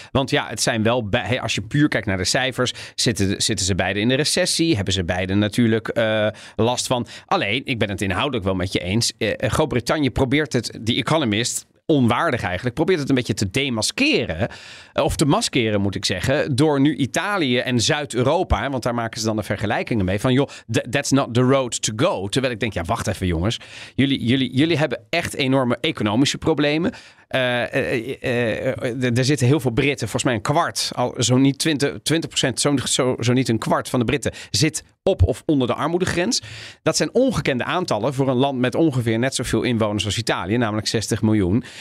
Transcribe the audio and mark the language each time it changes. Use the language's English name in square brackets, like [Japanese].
[Dutch] Want ja, het zijn wel, als je puur kijkt naar de cijfers, zitten ze beide in de recessie, hebben ze beide natuurlijk last van. Alleen, ik ben het inhoudelijk wel met je eens. Groot-Brittannië probeert het, The Economist, onwaardig eigenlijk, probeert het een beetje te demaskeren. Of te maskeren, moet ik zeggen. Door nu Italië en Zuid-Europa, want daar maken ze dan de vergelijkingen mee. Van joh, [English] that's not the road to go. [Dutch] Terwijl ik denk, ja, wacht even jongens. Jullie hebben echt enorme economische problemen. Er zitten heel veel Britten, volgens mij een kwart, al zo niet 20%, zo niet een kwart van de Britten zit op of onder de armoedegrens. Dat zijn ongekende aantallen voor een land met ongeveer net zoveel inwoners als Italië, namelijk 60 miljoen.